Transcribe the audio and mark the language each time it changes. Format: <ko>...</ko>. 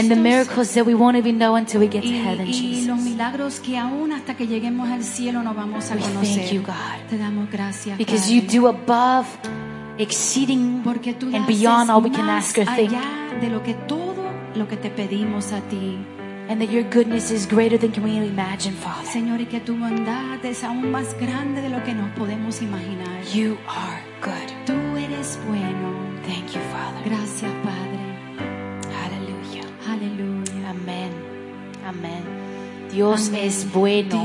<en>and the miracles that we won't even know until we get to heaven,</en> <es>y</es> <en>Jesus,</en> <es>los milagros que aún hasta que lleguemos al cielo no vamos a</es> <en>we</en> <es>conocer.</es> <en>Thank you, God,</en> <es>te damos gracias,</es> <en>because</en> <es>Padre.</es> <en>You do above, exceeding and beyond all we can ask or think,</en> <es>de lo que todo lo que te pedimos a ti,</es> <en>and that your goodness is greater than can we imagine, Father.</en> <es>Señor, y que tu bondad es aún más grande de lo que nos podemos imaginar.</es> <en>You are good.</en> <es>Tú eres bueno.</es> <en>Thank you, Father.</en> <es>Gracias, Padre.</es> <en>Hallelujah.</en> <es>Hallelujah. Amen. Amen. Dios Amen. Es bueno.</es>